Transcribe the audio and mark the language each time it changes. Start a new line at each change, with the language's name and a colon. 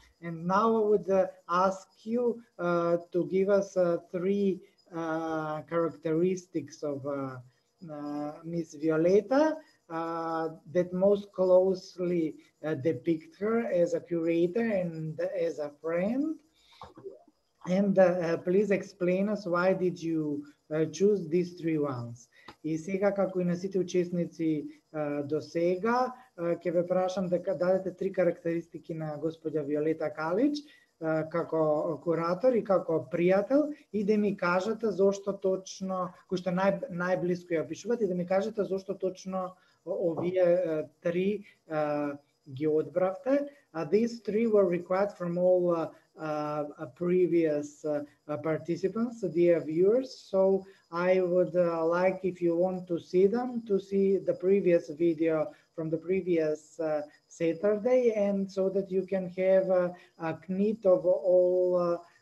English: And now I would ask you to give us three characteristics of Miss Violeta that most closely depict her as a curator and as a friend. And please explain us why did you choose these three ones.
Macedonian: И сега, како и на сите учесници до сега, ќе ве прашам да дадете три карактеристики на господја Виолета Калич како куратор и како пријател, и да ми кажете зошто точно, кој што најблиско ја пишувате, и да ми кажете зошто точно овие три ги одбравте.
English: These three were required from all previous participants, dear viewers. So I would like, if you want to see them, to see the previous video from the previous Saturday, and so that you can have a knit of all